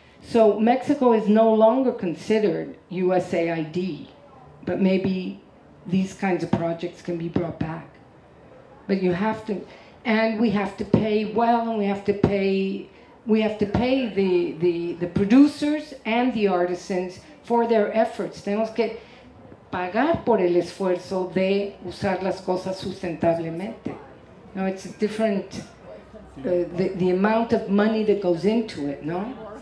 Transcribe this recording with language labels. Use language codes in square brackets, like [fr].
[en] So Mexico is no longer considered USAID, but maybe these kinds of projects can be brought back. But you have to, and we have to pay well, and we have to pay the producers and the artisans for their efforts. [es] Tenemos que pagar por el esfuerzo de usar las cosas sustentablemente. [en] No, it's a different. The amount of money that goes into it, no?